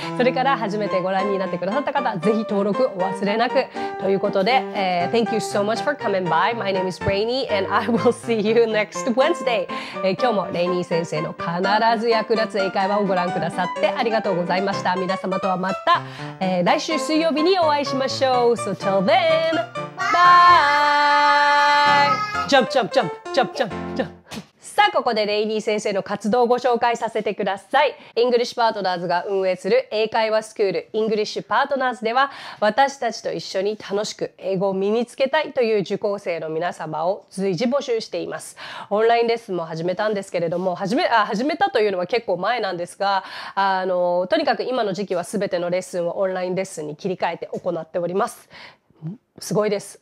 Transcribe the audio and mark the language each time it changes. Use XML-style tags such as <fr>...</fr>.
<ja>それから初めてご覧になってくださった方、ぜひ登録お忘れなくということで、</ja> <en>Thank you so much for coming by. My name is Rainey and I will see you next Wednesday、</en> <ja>今日もレイニー先生の必ず役立つ英会話をご覧くださってありがとうございました。皆様とはまた、来週水曜日にお会いしましょう。</ja> <en>So till then, bye! Jump, jump, jump, jump, jump, jump.</en> <ja>さあここでレイニー先生の活動をご紹介させてください。 English Partners が運営する英会話スクール English Partners では、私たちと一緒に楽しく英語を身につけたいという受講生の皆様を随時募集しています。オンラインレッスンも始めたんですけれども、始めたというのは結構前なんですが、とにかく今の時期は全てのレッスンをオンラインレッスンに切り替えて行っております。すごいです。</ja>